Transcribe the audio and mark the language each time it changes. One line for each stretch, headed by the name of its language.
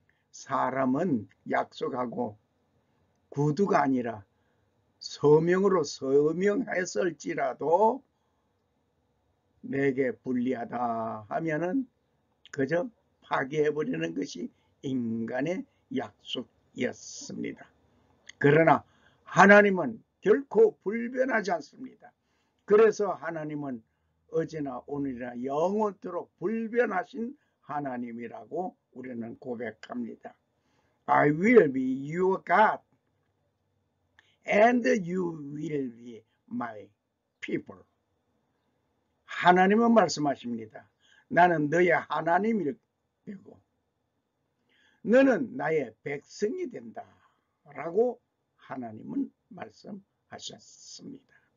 Korean: 사람은 약속하고 구두가 아니라 서명으로 서명했을지라도 내게 불리하다 하면은 그저 파괴해버리는 것이 인간의 약속이었습니다. 그러나 하나님은 결코 불변하지 않습니다. 그래서 하나님은 어제나 오늘이나 영원토록 불변하신 하나님이라고 우리는 고백합니다.
English: I will be your God and you will be my people.
Korean: 하나님은 말씀하십니다. 나는 너의 하나님일 거고 너는 나의 백성이 된다라고 하나님은 말씀하셨습니다.